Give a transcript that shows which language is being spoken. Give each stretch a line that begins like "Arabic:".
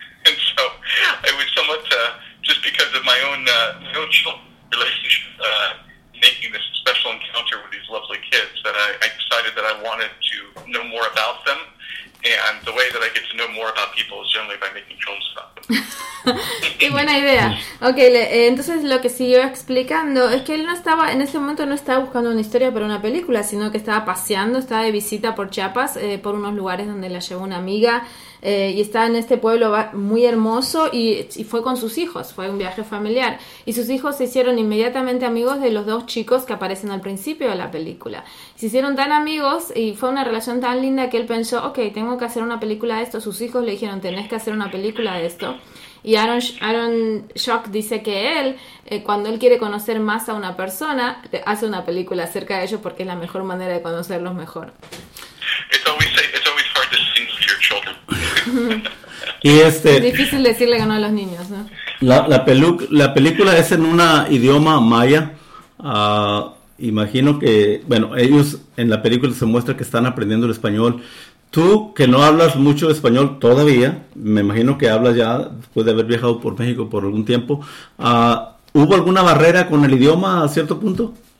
English: And so it was somewhat just because of my own relationship, making this special encounter with these lovely kids, that I decided that I wanted to know more about them. And the way that I get to know more about people is generally by making films about them.
Spanish: Qué buena idea. Okay, entonces lo que siguió explicando es que él no estaba, en ese momento no estaba buscando una historia para una película, sino que estaba paseando, estaba de visita por Chiapas, por unos lugares donde la llevó una amiga, y estaba en este pueblo muy hermoso y fue con sus hijos, fue un viaje familiar. Y sus hijos se hicieron inmediatamente amigos de los dos chicos que aparecen al principio de la película. Se hicieron tan amigos y fue una relación tan linda que él pensó, okay, tengo que hacer una película de esto. Sus hijos le dijeron, tenés que hacer una película de esto. Y Aaron Schock dice que él, cuando él quiere conocer más a una persona, hace una película acerca de ellos porque es la mejor manera de conocerlos mejor.
English: It's always hard to sing to your children.
Spanish: Y este, es difícil decirle que no a los niños, ¿no? La película es en un idioma maya. Imagino que, bueno, ellos en la película se muestra que están aprendiendo el español. Tú, que no hablas mucho español todavía, me imagino que hablas ya después de haber viajado por México por algún tiempo, ¿hubo alguna barrera con el idioma a cierto punto?